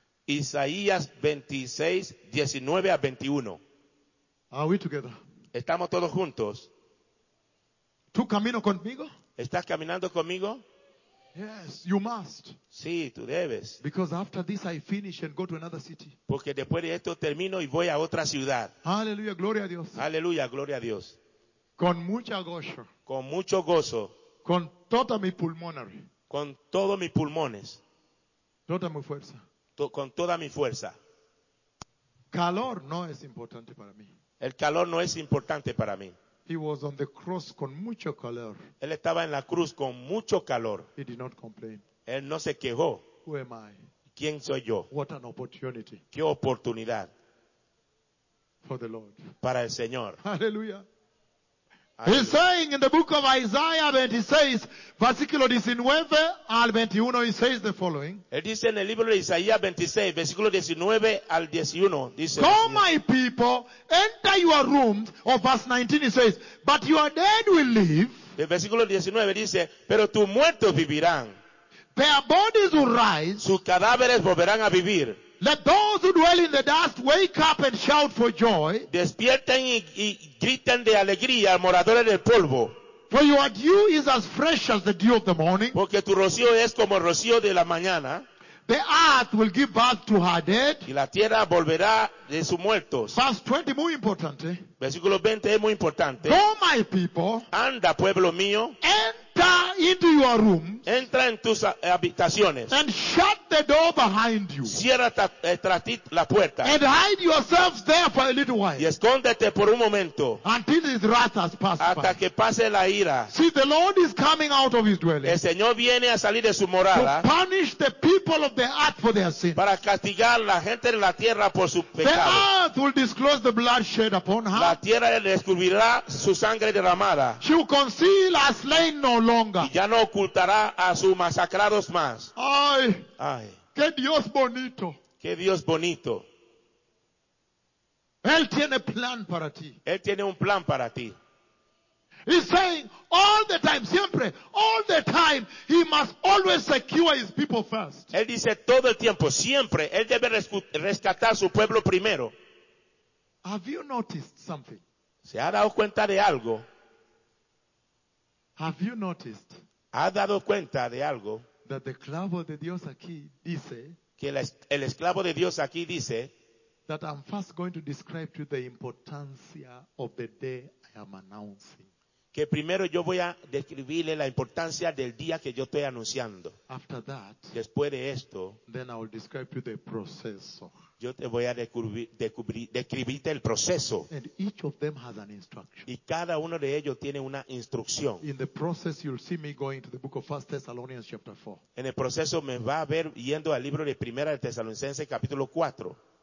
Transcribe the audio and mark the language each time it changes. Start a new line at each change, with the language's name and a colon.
Spanish: Isaías 26, 19 a 21.
English: Are we together?
Spanish: ¿Estamos todos juntos? ¿Tú camino conmigo? ¿Estás caminando conmigo?
English: Yes, you must.
Spanish: Sí, tú debes.
English: Because after this I finish and go to another city.
Spanish: Porque después de esto termino y voy a otra ciudad. Aleluya, gloria a Dios. Aleluya, gloria a Dios. Con mucho gozo. Con mucho gozo. Con toda mi pulmonar. Con todos mis pulmones. Toda mi fuerza. Con toda mi fuerza. Calor no es importante para mí. El calor no es importante para mí.
English: He was on the cross
Spanish: con mucho calor. Él estaba en la cruz con mucho calor.
English: He did not complain.
Spanish: Él no se quejó.
English: Who am I?
Spanish: ¿Quién soy yo?
English: What an opportunity.
Spanish: ¿Qué oportunidad?
English: For the Lord.
Spanish: Para el Señor. Aleluya.
English: He's saying in the book of Isaiah 26,
Spanish: versículo 19 al 21,
English: he says the following.
Spanish: Él dice en el libro de Isaías 26, versículo 19 al 21, dice.
English: Come, my people, enter your rooms, or verse 19, he says, but your dead will live.
Spanish: El versículo 19 dice, pero tus muertos vivirán.
English: Their bodies will rise.
Spanish: Sus cadáveres volverán a vivir.
English: Let those who dwell in the dust wake up and shout for joy.
Spanish: Despierten y griten de alegría, moradores del polvo.
English: For your dew is as fresh as the dew of the morning.
Spanish: Porque tu rocío es como el rocío de la mañana.
English: The earth will give birth to her dead.
Spanish: Y la tierra volverá de sus muertos.
English: Verse 20,
Spanish: muy importante. Versículo 20 es muy importante.
English: Go, my people.
Spanish: Anda, pueblo mío.
English: Enter into your rooms.
Spanish: Entra en tus habitaciones.
English: And shut the door behind you.
Spanish: Cierra tras ti la puerta.
English: And hide yourselves there for a little while.
Spanish: Y escóndete por un momento.
English: Until his wrath has passed
Spanish: hasta
English: by.
Spanish: Que pase la ira.
English: See, the Lord is coming out of his dwelling.
Spanish: El Señor viene a salir de su morada.
English: To punish the people of the earth for their sins.
Spanish: Para castigar la gente de la tierra por su pecado.
English: The earth will disclose the blood shed upon her.
Spanish: La tierra descubrirá su sangre derramada.
English: She will conceal her slain no longer.
Spanish: Y ya no ocultará a sus masacrados más. Ay, ay. Qué Dios bonito. Qué Dios bonito. Él tiene plan para ti. Él tiene un plan para ti.
English: He's saying all the time, siempre, all the time, he must always secure his people first.
Spanish: Él dice todo el tiempo, siempre, él debe rescatar su pueblo primero.
English: Have you noticed something?
Spanish: ¿Se ha dado cuenta de algo?
English: Have you noticed?
Spanish: ¿Ha dado cuenta de algo?
English: That the
Spanish: esclavo de Dios aquí dice. Que el esclavo de Dios aquí dice.
English: That I'm first going to describe to you the importancia of the day I am announcing.
Spanish: Que primero yo voy a describirle la importancia del día que yo estoy anunciando.
English: After that,
Spanish: después de esto,
English: then I will describe you the proceso.
Spanish: Yo te voy a describirte el proceso.
English: And each of them has an instruction.
Spanish: Y cada uno de ellos tiene una instrucción.
English: In the process, you'll see me going to the book of 1 Thessalonians chapter 4.
Spanish: En el proceso me va a ver yendo al libro de Primera de Tesalonicenses capítulo 4.